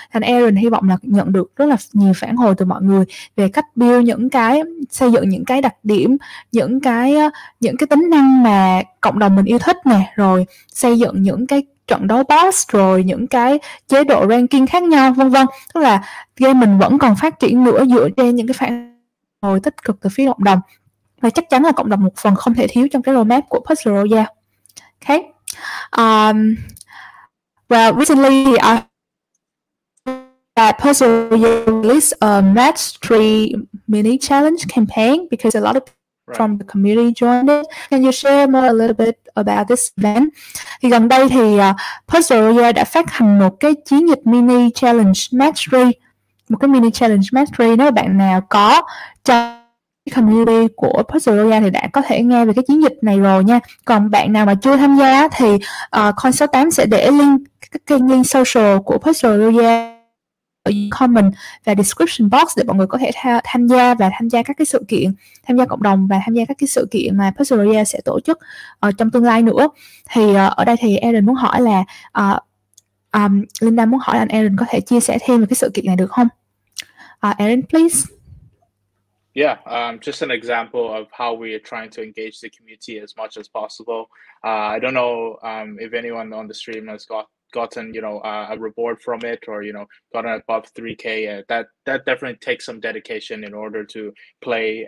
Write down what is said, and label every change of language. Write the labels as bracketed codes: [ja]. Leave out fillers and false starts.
[vi] Thành Aaron hy vọng là nhận được rất là nhiều phản hồi từ mọi người về cách build những cái, xây dựng những cái đặc điểm, những cái tính năng mà cộng đồng mình yêu thích nè, rồi xây dựng những cái trận đấu boss, rồi những cái chế độ ranking khác nhau, vân vân. Tức là game mình vẫn còn phát triển nữa dựa trên những cái phản hồi tích cực từ phía cộng đồng, và chắc chắn là cộng đồng một phần không thể thiếu trong cái roadmap của Puzzle Royale. [en] Okay. Well, recently, that Puzzle Royale released a match tree mini challenge campaign because a lot of people from the community joined it. Can you share more a little bit about this event? [vi] Thì gần đây thì Puzzle Royale đã phát hành một cái chiến dịch mini challenge match tree, một cái mini challenge match tree. Nếu bạn nào có trong community của Puzzle Royale thì đã có thể nghe về cái chiến dịch này rồi nha. Còn bạn nào mà chưa tham gia thì Coin68 sẽ để link các kênh link social của Puzzle Royale ở comment và description box để mọi người có thể tham gia và tham gia các cái sự kiện, tham gia cộng đồng và tham gia các cái sự kiện mà Puzzle Royale sẽ tổ chức trong tương lai nữa. Thì ở đây thì Aaron muốn hỏi là Linda muốn hỏi là anh Aaron có thể chia sẻ thêm về cái sự kiện này được không? [en] Aaron, please. Yeah, just an example of how we are trying to engage the community as much as possible. I don't know if anyone on the stream has got gotten, you know, a reward from it, or, you know, gotten above 3K. That definitely takes some dedication in order to play.